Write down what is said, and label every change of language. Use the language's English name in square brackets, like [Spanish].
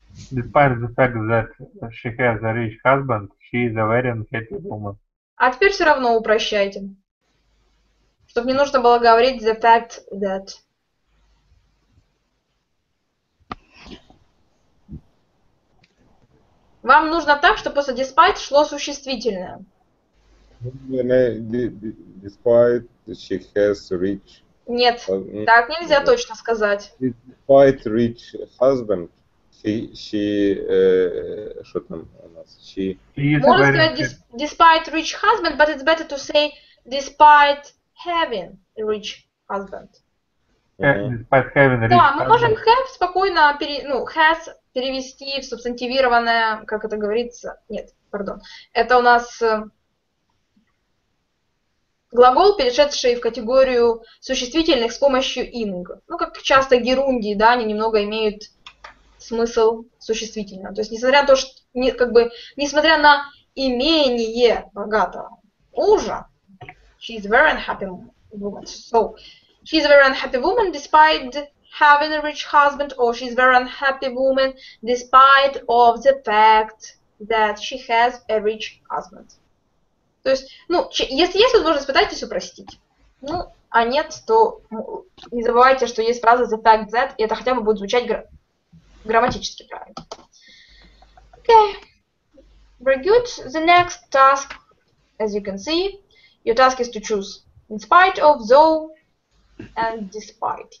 [English] Despite the fact that she has a rich husband, she is a very unhappy woman. [Russian] А теперь все равно упрощайте. Чтобы не нужно было говорить [English] the fact that. [Russian] Вам нужно так, чтобы после despite шло существительное. [English] Despite she has rich. [Russian] Нет, так нельзя точно сказать. [English] Despite rich husband, she [Russian] что там у нас? [English] She. Можно сказать despite rich husband, but it's better to say despite having a rich husband. Despite having a rich husband. [Russian] Да, мы можем have спокойно has перевести в субстантивированное, как это говорится. Нет, пардон. Это у нас глагол, перешедший в категорию существительных с помощью ing. Ну, как часто герундии, да, они немного имеют смысл существительного. То есть, несмотря на то, что, как бы, несмотря на имение богатого мужа, [English] she is a very unhappy woman. So, she is a very unhappy woman despite having a rich husband, or she is a very unhappy woman despite of the fact that she has a rich husband. [Russian] То есть, ну, если есть возможность, пытайтесь упростить. Ну, а нет, то не забывайте, что есть фраза [English] the fact that, [Russian] и это хотя бы будет звучать грамматически правильно. [English] Okay. Very good. The next task, as you can see, your task is to choose in spite of, though, and despite.